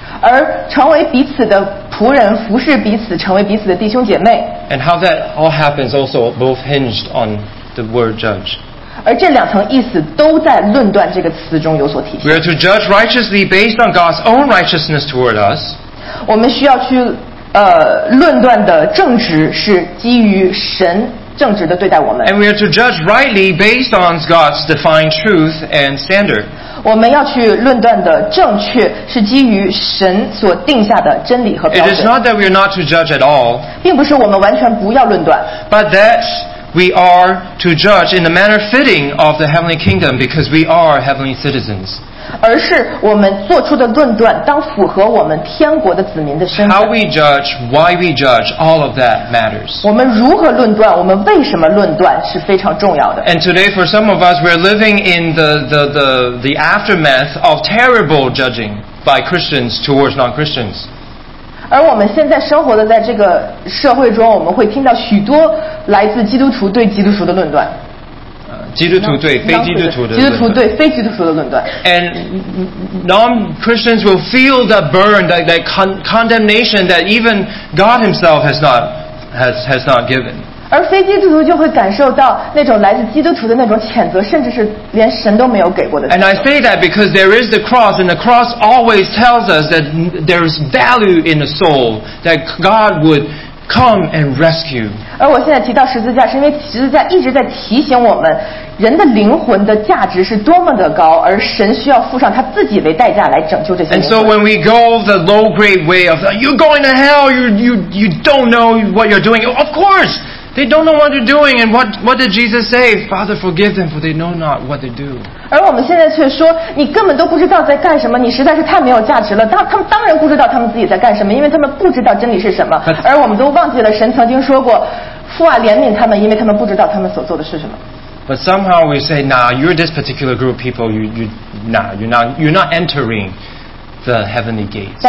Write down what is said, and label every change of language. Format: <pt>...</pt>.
<zh>而成为彼此的仆人，服侍彼此，成为彼此的弟兄姐妹。</zh> <en>And how that all happens also both hinged on the word judge.</en> <zh>而这两层意思都在论断这个词中有所体现。</zh> <en>We are to judge righteously based on God's own righteousness toward us.</en> <zh>我们需要去论断的正直是基于神正直的对待我们。</zh> <en>And we are to judge rightly based on God's defined truth and standard.</en> <zh>我们要去论断的正确是基于神所定下的真理和标准。</zh> <en>It is not that we are not to judge at all.</en> <zh>并不是我们完全不要论断。</zh> <en>But that we are to judge in the manner fitting of the heavenly kingdom because we are heavenly citizens.</en> <zh>而是我们做出的论断当符合我们天国的子民的身份。</zh> <en>How we judge, why we judge, all of that matters.</en> <zh>我们如何论断，我们为什么论断是非常重要的。</zh> <en>And today for some of us, we're living in the aftermath of terrible judging by Christians towards non-Christians.</en> <zh>而我们现在生活的在这个社会中，我们会听到许多来自基督徒对基督徒的论断。基督徒对非基督徒的论断。基督徒对非基督徒的论断。</zh> <en>And non-Christians will feel the burn, that condemnation that even God himself has not given.</en> <zh>而非基督徒就会感受到那种来自基督徒的那种谴责，甚至是连神都没有给过的。</zh> <en>And I say that because there is the cross, and the cross always tells us that there is value in the soul, that God would come and rescue.</en> <zh>而我现在提到十字架，是因为十字架一直在提醒我们，人的灵魂的价值是多么的高，而神需要付上他自己为代价来拯救这些灵魂。</zh> <en>And so when we go the low grade way of you're going to hell, you don't know what you're doing. Of course, they don't know what they're doing. And what did Jesus say? Father, forgive them, for they know not what they do.</en> <zh>而我们现在却说，你根本都不知道在干什么，你实在是太没有价值了。他们当然不知道他们自己在干什么，因为他们不知道真理是什么。</zh> <en>But,</en> <zh>而我们都忘记了神曾经说过，父啊怜悯他们，因为他们不知道他们所做的是什么。</zh> <en>But somehow we say, nah, you're this particular group of people, you're not entering the heavenly gates.</en>